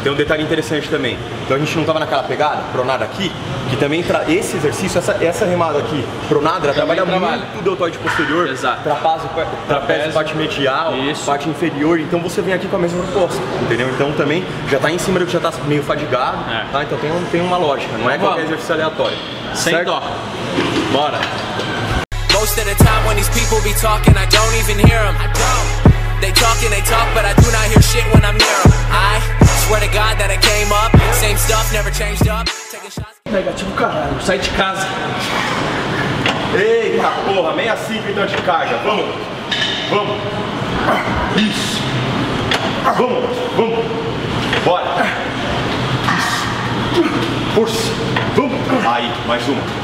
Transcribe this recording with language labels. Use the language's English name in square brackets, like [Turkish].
[Portuguese] Tem um detalhe interessante também. Então a gente não tava naquela pegada, pronada aqui, que também pra esse exercício, essa remada aqui, pronada, ela trabalha, trabalha muito o deltóide posterior. Exato. Trapézio, parte medial, isso, parte inferior. Então você vem aqui com a mesma proposta, entendeu? Então também já tá em cima do que já tá meio fadigado, é, tá? Então tem uma lógica, não é qualquer exercício aleatório. Sem certo? Dó. Bora. [English] Most of the time when these people be talking, I don't even hear them. They talk, but I do not hear shit when I'm near them. I swear to God that I came up, same stuff, never changed up. Taking shots. [Portuguese] Negativo, caralho, sai de casa. Eita porra, 65 então de carga. Vamos. Isso. Vamos. Bora. Isso. Força. Vamos. Aí, mais uma.